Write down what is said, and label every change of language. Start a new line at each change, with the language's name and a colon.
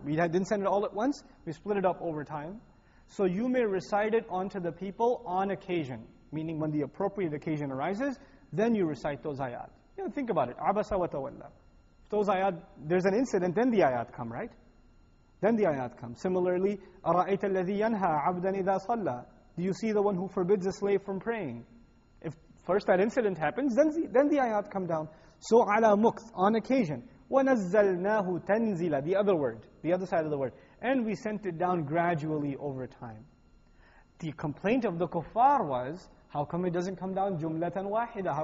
English: We didn't send it all at once, we split it up over time. So you may recite it onto the people on occasion, meaning when the appropriate occasion arises, then you recite those ayat. You know, think about it,
Arabic: عَبَسَ وَتَوَلَّا.
English: Those ayat, there's an incident, then the ayat come, right? Then the ayat comes. Similarly,
Arabic: أَرَأَيْتَ الَّذِي يَنْهَى عَبْدًا إِذَا صَلَّى.
English: Do you see the one who forbids a slave from praying? If first that incident happens, then the ayat come down. So
Arabic: عَلَى مُكْثٍ,
English: on occasion.
Arabic: وَنَزَّلْنَاهُ تَنْزِيلًا,
English: the other word, the other side of the word. And we sent it down gradually over time. The complaint of the kuffar was, how come it doesn't come down
Arabic: جُمْلَةً وَاحِدًا?